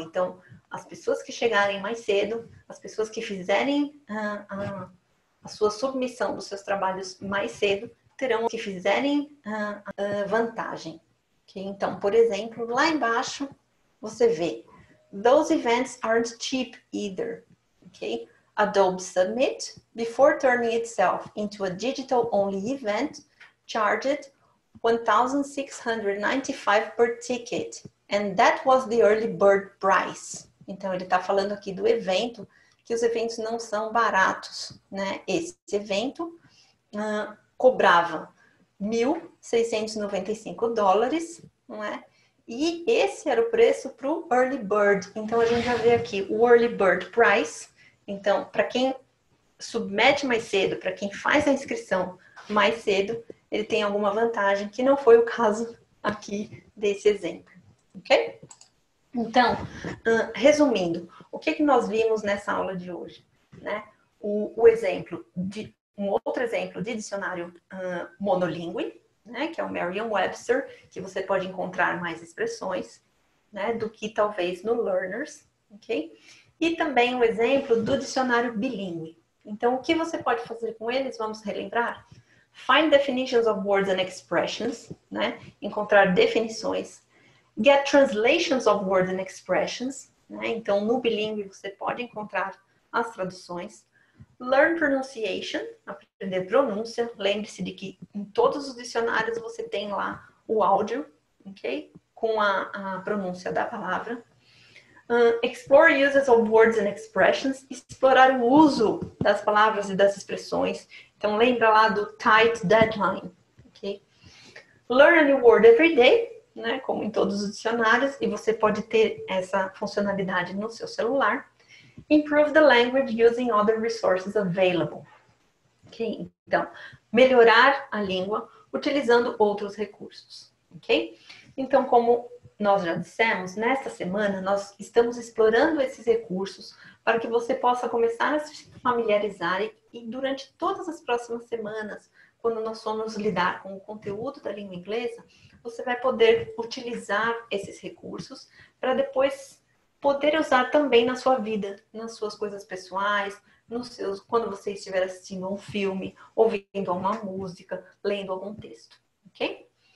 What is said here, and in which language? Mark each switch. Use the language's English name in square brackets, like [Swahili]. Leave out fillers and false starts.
[Portuguese] Então, as pessoas que chegarem mais cedo, as pessoas que fizerem a sua submissão dos seus trabalhos mais cedo, terão que fizerem a vantagem. Okay? Então, por exemplo, lá embaixo você vê: [English] Those events aren't cheap either. Okay? Adobe Submit, before turning itself into a digital-only event, charged $1,695 per ticket. And that was the early bird price. [Portuguese] Então, ele está falando aqui do evento, que os eventos não são baratos, né? Esse evento cobrava 1.695 dólares, não é? E esse era o preço para o early bird. Então, a gente já vê aqui o early bird price. Então, para quem submete mais cedo, para quem faz a inscrição mais cedo, ele tem alguma vantagem, que não foi o caso aqui desse exemplo. Ok? Então, resumindo, o que que nós vimos nessa aula de hoje, né? O exemplo de um outro exemplo de dicionário monolíngue, né? Que é o Merriam-Webster, que você pode encontrar mais expressões, né? Do que talvez no Learners, ok? E também o exemplo do dicionário bilíngue. Então, o que você pode fazer com eles? Vamos relembrar? [English] Find definitions of words and expressions, né? [Portuguese] Encontrar definições. [English] Get translations of words and expressions, né? [Portuguese] Então, no bilíngue você pode encontrar as traduções. [English] Learn pronunciation, [Portuguese] aprender pronúncia. Lembre-se de que em todos os dicionários você tem lá o áudio, ok? Com a pronúncia da palavra. [English] Explore uses of words and expressions. [Portuguese] Explorar o uso das palavras e das expressões. Então, lembra lá do tight deadline, ok? [English] Learn a new word every day, né? [Portuguese] Como em todos os dicionários, e você pode ter essa funcionalidade no seu celular. [English] Improve the language using other resources available. Ok? [Portuguese] Então, melhorar a língua utilizando outros recursos, ok? Então, como nós já dissemos, nesta semana nós estamos explorando esses recursos para que você possa começar a se familiarizar e durante todas as próximas semanas, quando nós formos lidar com o conteúdo da língua inglesa, você vai poder utilizar esses recursos para depois poder usar também na sua vida, nas suas coisas pessoais, nos seus, quando você estiver assistindo um filme, ouvindo uma música, lendo algum texto, ok?